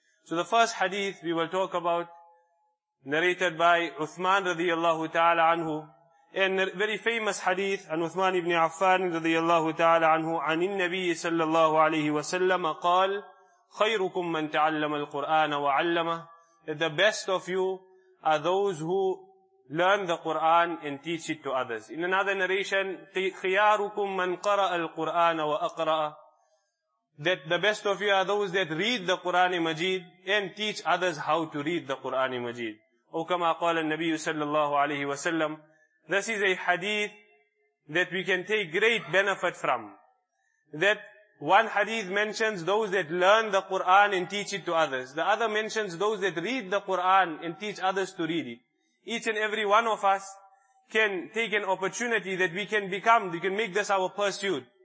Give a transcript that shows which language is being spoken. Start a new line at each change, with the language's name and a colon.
English: So the first hadith we will talk about, narrated by Uthman radiyallahu ta'ala anhu, and a very famous hadith an Uthman ibn Affan radiyallahu ta'ala anhu, an nabi sallallahu alayhi wa sallam,
Arabic: qal, khayrukum man ta'allama al-Qur'ana wa 'allama,
English: that the best of you are those who learn the Qur'an and teach it to others. In another narration,
Arabic: خِيَارُكُمْ مَنْ قَرَأَ الْقُرْآنَ وَأَقْرَأَ,
English: that the best of you are those that read the Qur'an-i Majid and teach others how to read the Qur'an-i Majid.
Arabic: أو كما قال النبي صلى الله عليه وسلم.
English: This is a hadith that we can take great benefit from. That one hadith mentions those that learn the Qur'an and teach it to others. The other mentions those that read the Qur'an and teach others to read it. Each and every one of us can take an opportunity that we can make this our pursuit.